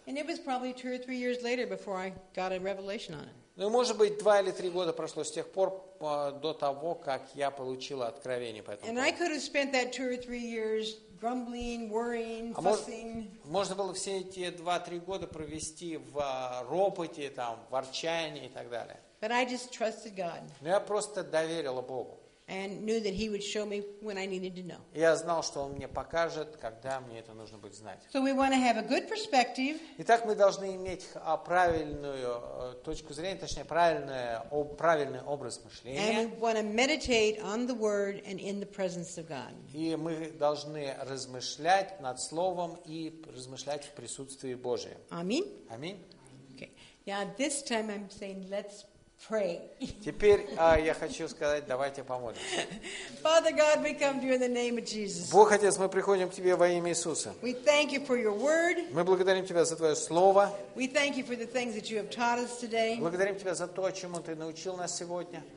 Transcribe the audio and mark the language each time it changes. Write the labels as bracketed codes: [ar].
[en] And it was probably two or three years later before I got a revelation on it. [ru] Ну, может быть, два или три года прошло с тех пор, до того, как я получил откровение по этому поводу. [en] And I could have spent that two or three years grumbling, worrying, fussing. [ru] Можно было все эти два-три года провести в ропоте, там, в ворчании и так далее. [en] But I just trusted God. [ru] Но я просто доверила Богу. [en] And knew that he would show me when I needed to know. [ru] Я знал, что он мне покажет, когда мне это нужно будет знать. [en] So we want to have a good perspective. [ru] Итак, мы должны иметь правильную точку зрения, точнее, правильный образ мышления. [en] And we want to meditate on the word and in the presence of God. [ru] И мы должны размышлять над словом и размышлять в присутствии Божьем. Аминь. Аминь. [en] Okay. Yeah, this time I'm saying let's pray. [ru] Теперь я хочу сказать, давайте помолимся. [en] Father God, we come to you in the name of Jesus. [ru] Бог Отец, мы приходим к тебе во имя Иисуса. [en] We thank you for your word. [ru] Мы благодарим тебя за твое слово. [en] We thank you for the things that you have taught us today. [ru] Благодарим тебя за то, чему ты научил нас сегодня.